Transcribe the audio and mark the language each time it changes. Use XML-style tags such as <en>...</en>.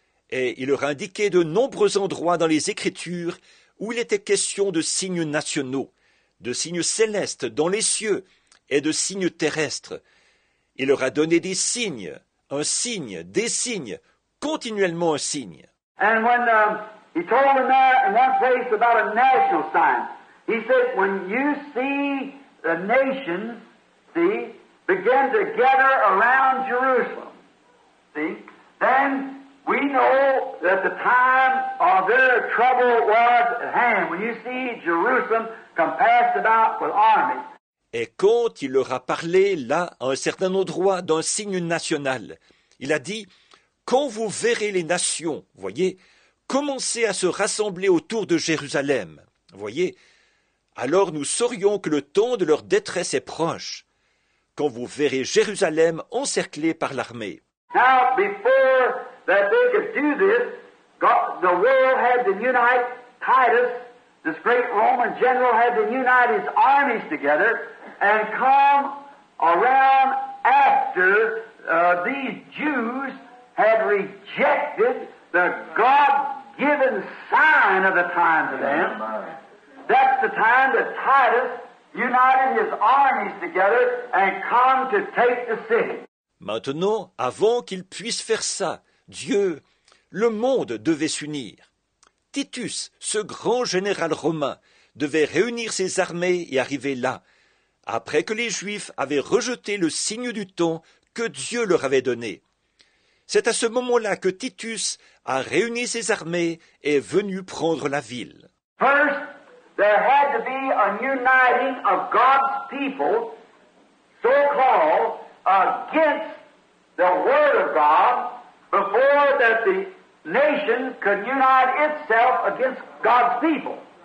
<fr>Et il leur indiquait de nombreux endroits dans les Écritures où il était question de signes nationaux, de signes célestes dans les cieux et de signes terrestres. Il leur a donné des signes, un signe, des signes, continuellement un signe.</fr> <en>And when he told them in one place about a national sign, he said, when you see the nations, see, begin to gather around Jerusalem. See, then we know that the time of their trouble was at hand. When you see Jerusalem compassed about with armies.</en> <fr>Et quand il leur a parlé là, à un certain endroit, d'un signe national, Il a dit, quand vous verrez les nations, voyez, commencer à se rassembler autour de Jérusalem, voyez, alors nous saurions que le temps de leur détresse est proche, quand vous verrez Jérusalem encerclée par l'armée.</fr> <en>Now, before that they could do this, God, the world had to unite Titus, this great Roman general had to unite his armies together and come around after these Jews had rejected the God-given sign of the time to them. That's the time that Titus united his armies together and come to take the city.</en> <fr>Maintenant, avant qu'ils puissent faire ça, Dieu, le monde devait s'unir. Titus, ce grand général romain, devait réunir ses armées et arriver là, après que les Juifs avaient rejeté le signe du temps que Dieu leur avait donné. C'est à ce moment-là que Titus a réuni ses armées et est venu prendre la ville.</fr> <en>First, there had to be a uniting of God's people, so called, against the word of God, before that the nation could unite itself against God's people.</en>